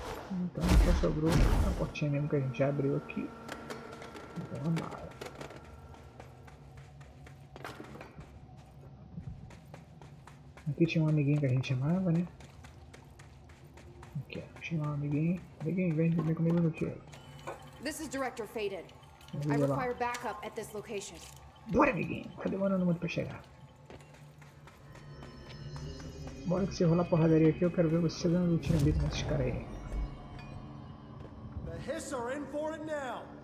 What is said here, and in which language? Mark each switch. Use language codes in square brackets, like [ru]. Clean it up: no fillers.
[pt] Então só sobrou a portinha mesmo que a gente já abriu aqui. Aqui tinha um amiguinho que a gente amava, né? Aqui, tinha um amiguinho. Amiguinho, vem comer comigo no tiro. [en] This is Director Faded. I require backup at this location. [pt] Bora, amiguinho. Tá demorando muito pra chegar. Bora que se rolar porradaria aqui, eu quero ver você dando um tiro mesmo nesses caras aí. [en] The Hiss are in for it now.